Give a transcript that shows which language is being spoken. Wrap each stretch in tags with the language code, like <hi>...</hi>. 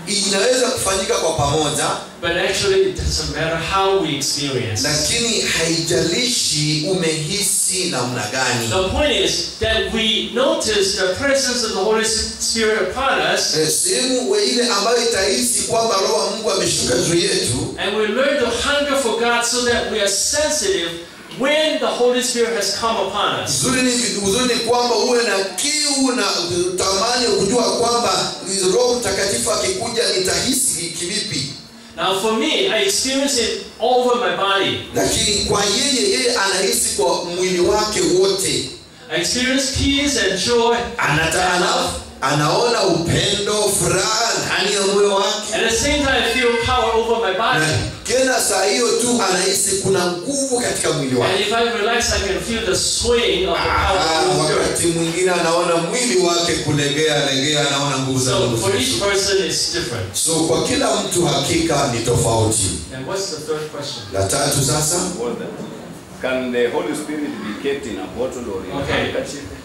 <sw>Inaweza kufanyika kwa pamoja.</sw> <en>But actually it doesn't matter how we experience.</en> <sw>Lakini haijalishi umehisi namna gani.</sw> <en>The point is that we notice the presence of the Holy Spirit upon us.</en> <sw>Sehemu ile ambayo itahisi kwamba roho wa Mungu ameshuka juu yetu.</sw> <en>And we learn to hunger for God so that we are sensitive when the Holy Spirit has come upon us.</en> <sw>Uzuri ni kwamba uwe na kiu na utamani kujua kwamba Roho Mtakatifu akikuja nitahisi kivipi.</sw> <en>Now for me, I experience it over my body.</en> <sw>Lakini kwa yeye yeye anahisi kwa mwili wake wote.</sw> <en>I experience peace and joy.</en> <sw>Anataka anaona upendo furaha ndani ya moyo wake.</sw> <en>At the same time I feel power over my body.</en> <sw>Kila saa hiyo tu anahisi kuna nguvu katika mwili wake.</sw> <en>And if I relax I can feel the swing of the power. Ah,</en> <sw>wakati mwingine anaona mwili wake kulegea legea anaona nguvu za</sw> <en>Mungu. So for each person is different.</en> <sw>So kwa kila mtu hakika ni tofauti.</sw> <en>And what's the third question?</en> <sw>La tatu sasa.</sw> <en>Can the Holy Spirit be kept in a bottle or in a handkerchief?</en>